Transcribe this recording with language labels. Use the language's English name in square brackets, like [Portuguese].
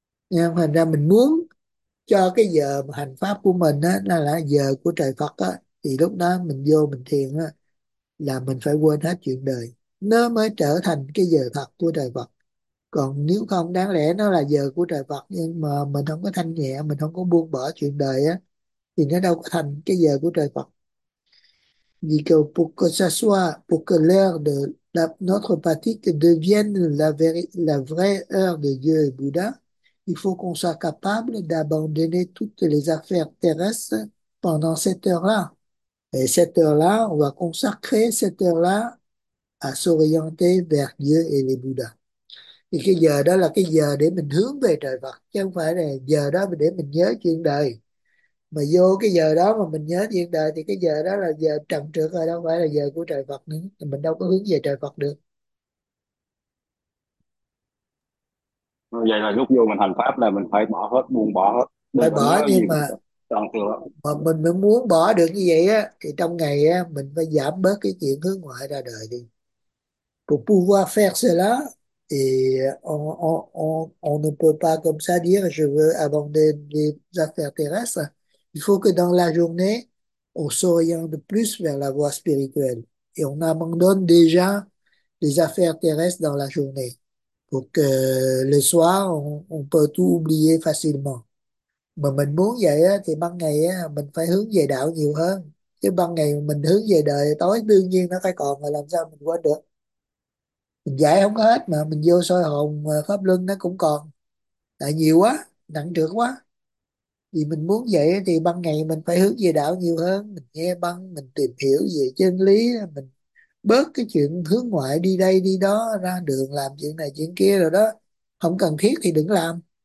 [Vietnamese] Nên thành ra mình muốn cho cái giờ mà hành pháp của mình á nó là giờ của trời Phật á, thì lúc đó mình vô mình thiền á là mình phải quên hết chuyện đời, nó mới trở thành cái giờ thật của trời Phật. Còn nếu không, đáng lẽ nó là giờ của trời Phật nhưng mà mình không có thanh nhẹ, mình không có buông bỏ chuyện đời á, thì nó đâu có thành cái giờ của trời Phật. [French] Vì que pour que ça soit, pour que l'heure de notre pratique devienne la vraie heure de Dieu et Bouddha, il faut qu'on soit capable d'abandonner toutes les affaires terrestres pendant cette heure-là. Et cette heure-là, on va consacrer cette heure-là à s'orienter vers Dieu et les Bouddhas. [Vietnamese] Et cái giờ đó là cái giờ để mình hướng về trời Phật, chứ không phải là giờ đó để mình nhớ chuyện đời. Mà vô cái giờ đó mà mình nhớ thiên đời thì cái giờ đó là giờ trần trược rồi, đâu phải là giờ của trời Phật nữa, thì mình đâu có hướng về trời Phật được. Vậy là lúc vô mình hành pháp là mình phải bỏ hết, buông bỏ hết, Phải đừng có bỏ, nhớ gì nhưng mình toàn mà mình muốn bỏ được như vậy á thì trong ngày á mình phải giảm bớt cái chuyện hướng ngoại ra đời đi. [French] Pour pouvoir faire cela, et on ne peut pas comme ça dire je veux abandonner les affaires terrestres. Il faut que dans la journée, on s'oriente plus vers la voie spirituelle et on abandonne déjà les affaires terrestres dans la journée pour que le soir, on peut tout oublier facilement. [Vietnamese] Mà mình muốn vậy á, thì ban ngày á, mình phải hướng về đạo nhiều hơn. Chứ ban ngày mình hướng về đời, tối đương nhiên nó phải còn, mà làm sao mình quên được. Mình giải không hết mà, mình vô soi hồn, pháp luân nó cũng còn. Tại nhiều quá, nặng trược quá. Vì mình muốn vậy thì ban ngày mình phải hướng về đạo nhiều hơn, mình nghe băng, mình tìm hiểu về chân lý, mình bớt cái chuyện hướng ngoại đi đây đi đó, ra đường làm chuyện này chuyện kia rồi đó, không cần thiết thì đừng làm.